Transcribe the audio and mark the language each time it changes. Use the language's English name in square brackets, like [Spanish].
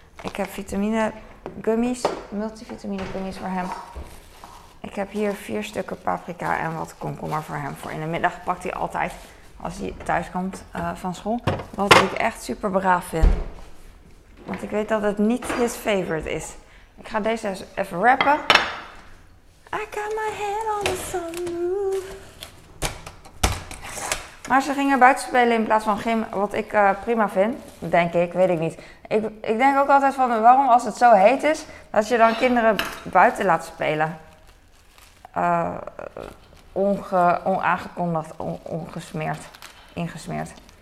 [Dutch] Ik heb vitamine gummies, multivitamine gummies voor hem. Ik heb hier 4 stukken paprika en wat komkommer voor hem. Voor in de middag pakt hij altijd als hij thuis komt van school. Wat ik echt super braaf vind. Want ik weet dat het niet [English] his favorite [Dutch] is. Ik ga deze even wrappen. [English] I got my head on the sunroof. [Dutch] Maar ze gingen buiten spelen in plaats van gym, wat ik prima vind, denk ik, weet ik niet. Ik denk ook altijd van, waarom als het zo heet is, dat je dan kinderen buiten laat spelen. Onaangekondigd, ongesmeerd, ingesmeerd.